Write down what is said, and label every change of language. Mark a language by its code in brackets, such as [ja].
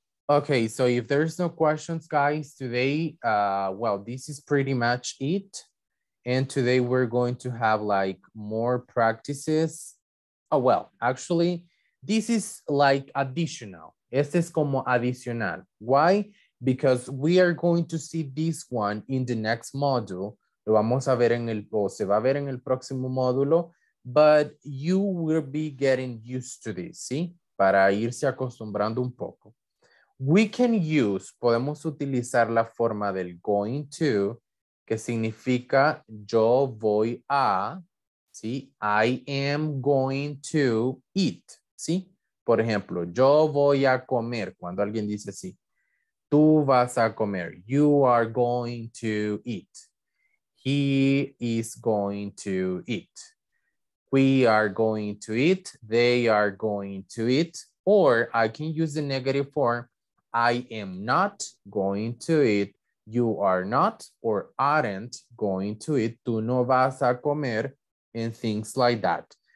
[en] Okay, so if there's no questions, guys, today, well, this is pretty much it. And today we're going to have like more practices. Oh, well, actually, this is like additional. Este es como adicional. Why? Because we are going to see this one in the next module. [es] Lo vamos a ver en el, o se va a ver en el próximo módulo. [en] But you will be getting used to this, ¿sí? [es] Para irse acostumbrando un poco. We can use, podemos utilizar la forma del going to, que significa yo voy a, ¿sí? [en] I am going to eat, ¿sí? Por ejemplo, yo voy a comer, cuando alguien dice así, tú vas a comer, you are going to eat, he is going to eat, we are going to eat, they are going to eat, or I can use the negative form, I am not going to eat, you are not or aren't going to eat, tú no vas a comer, and things like that.